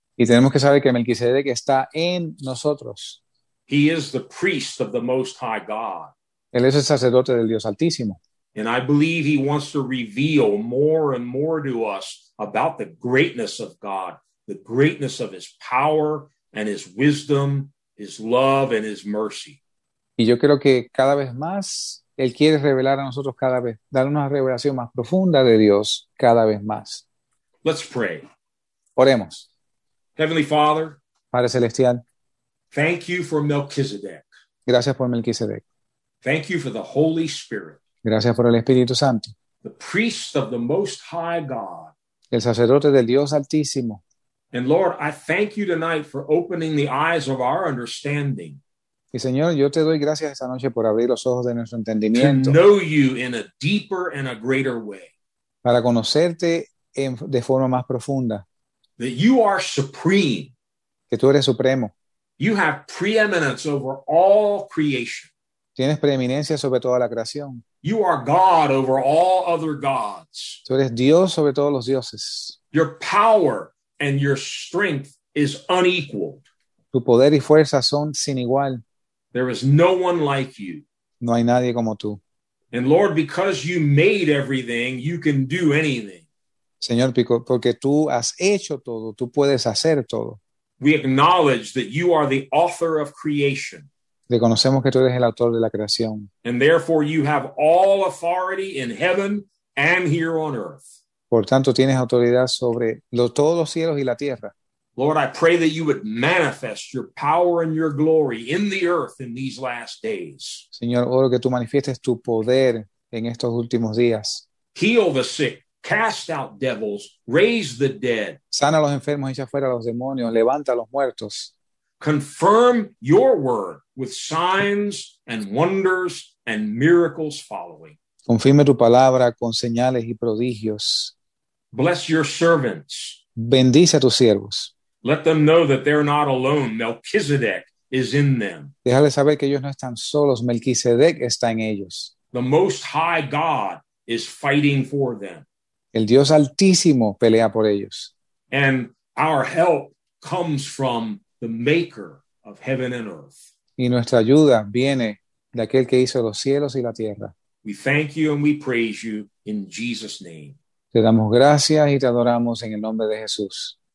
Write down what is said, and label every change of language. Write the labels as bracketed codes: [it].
[es] Y tenemos que saber que Melquisedec está en nosotros. [en] He is the priest of the Most High God. [es] Él es el sacerdote del Dios Altísimo. [en] And I believe he wants to reveal more and more to us about the greatness of God, the greatness of his power and his wisdom, his love and his mercy. [es] Y yo creo que cada vez más él quiere revelar a nosotros cada vez, dar una revelación más profunda de Dios cada vez más. [en] Let's pray. [es] Oremos. [en] Heavenly Father, [es] Padre Celestial, [en] thank you for Melchizedek. [es] Gracias por Melquisedec. [en] Thank you for the Holy Spirit. [es] Gracias por el Espíritu Santo. [en] The priest of the Most High God. [es] El sacerdote del Dios Altísimo. [en] And Lord, I thank you tonight for opening the eyes of our understanding. [es] Y Señor, yo te doy gracias esta noche por abrir los ojos de nuestro entendimiento. [en] To know you in a deeper and a greater way. [es] Para conocerte de forma más profunda. [en] That you are supreme. [es] Que tú eres supremo. [en] You have preeminence over all creation. [es] Tienes preeminencia sobre toda la creación. [en] You are God over all other gods. [es] Tú eres Dios sobre todos los dioses. [en] Your power and your strength is unequaled. [es] Tu poder y fuerza son sin igual. [en] There is no one like you. [es] No hay nadie como tú. [en] And Lord, because you made everything, you can do anything. [es] Señor, porque tú has hecho todo, tú puedes hacer todo. [en] We acknowledge that you are the author of creation. [es] Reconocemos que tú eres el autor de la creación. [en] And therefore you have all authority in heaven and here on earth. [es] Por tanto, tienes autoridad sobre todos los cielos y la tierra. [en] Lord, I pray that you would manifest your power and your glory in the earth in these last days. [es] Señor, oro que tú manifiestes tu poder en estos últimos días. [en] Heal the sick. Cast out devils, raise the dead. [es] Sana a los enfermos, echa fuera a los demonios, levanta a los muertos. [en] Confirm your word with signs and wonders and miracles following. [es] Confirme tu palabra con señales y prodigios. [en] Bless your servants. [es] Bendice a tus siervos. [en] Let them know that they're not alone. Melchizedek is in them. [es] Déjales saber que ellos no están solos. Melquisedec está en ellos. [en] The Most High God is fighting for them. [es] El Dios Altísimo pelea por ellos. [en] And our help comes from the maker of heaven and earth. [es] Y nuestra ayuda viene de aquel que hizo los cielos y la tierra. [en] We thank you and we praise you in Jesus' name. [es] Te damos gracias y te adoramos en el nombre de Jesús.